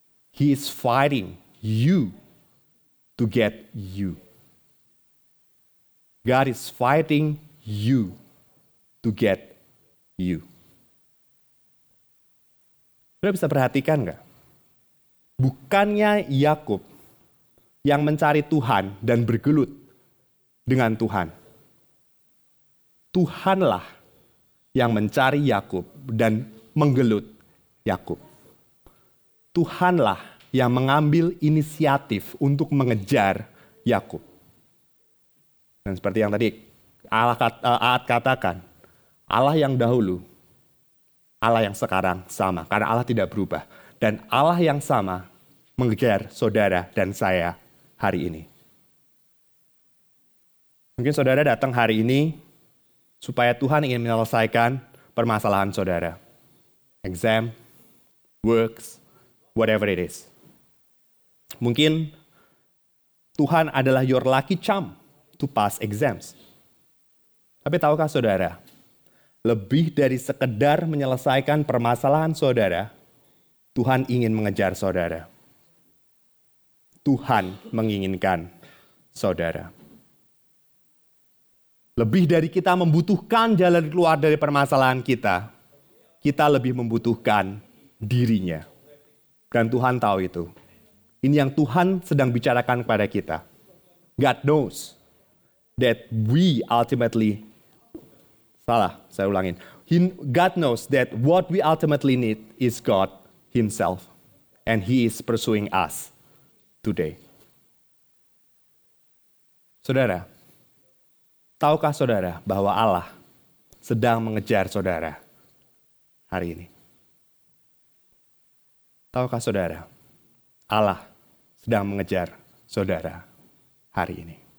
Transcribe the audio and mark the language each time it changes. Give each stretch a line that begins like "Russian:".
English: He is fighting you to get you. God is fighting you to get you.
Indonesian: Sudah bisa perhatikan gak? Bukannya Yakub yang mencari Tuhan dan bergelut dengan Tuhan. Tuhanlah yang mencari Yakub dan menggelut Yakub. Tuhanlah yang mengambil inisiatif untuk mengejar Yakub. Dan seperti yang tadi Aat katakan, Allah yang dahulu, Allah yang sekarang sama, karena Allah tidak berubah. Dan Allah yang sama mengejar saudara dan saya hari ini. Mungkin saudara datang hari ini supaya Tuhan ingin menyelesaikan permasalahan saudara.
English: Exam, works, whatever it is.
Indonesian: Mungkin Tuhan adalah
English: your lucky charm to pass exams.
Indonesian: Tapi tahukah saudara, lebih dari sekedar menyelesaikan permasalahan saudara, Tuhan ingin mengejar saudara. Tuhan menginginkan saudara. Lebih dari kita membutuhkan jalan keluar dari permasalahan kita, kita lebih membutuhkan dirinya. Dan Tuhan tahu itu. Ini yang Tuhan sedang bicarakan kepada kita.
English: God knows that we ultimately... God knows that what we ultimately need is God himself. And he is pursuing us today.
Indonesian: Saudara, tahukah saudara bahwa Allah sedang mengejar saudara hari ini? Tahukah saudara, Allah sedang mengejar saudara hari ini?